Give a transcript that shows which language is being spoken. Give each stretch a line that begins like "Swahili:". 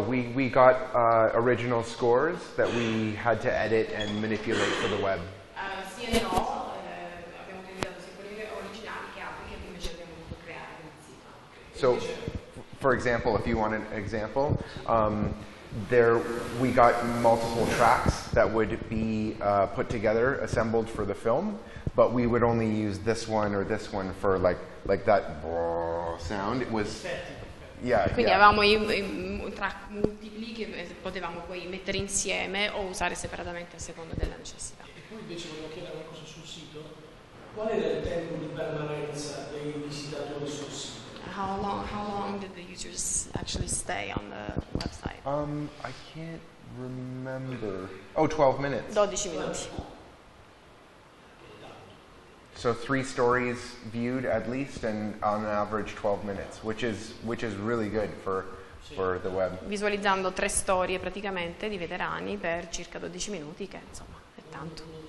English: We got original scores that we had to edit and manipulate for the web.
Italian: Sì e no. Abbiamo utilizzato sia quelli originali che altri che invece abbiamo dovuto creare.
English: So, for example, if you want an example, there we got multiple tracks that would be put together, assembled for the film. But we would only use this one or this one for like that sound. It was, yeah.
Italian: Quindi
English: yeah.
Italian: Avevamo un track multipli che potevamo poi mettere insieme o usare separatamente a seconda della necessità. E poi invece volevo chiedere una cosa sul sito. Qual era il tempo di permanenza dei visitatori sul sito?
English: How long did the users actually stay on the website? I can't remember. Oh, 12 minutes.
Italian: 12 minuti.
English: So three stories viewed at least, and on average 12 minutes, which is really good for the web.
Italian: Visualizzando tre storie praticamente di veterani per circa 12 minuti, che insomma è tanto.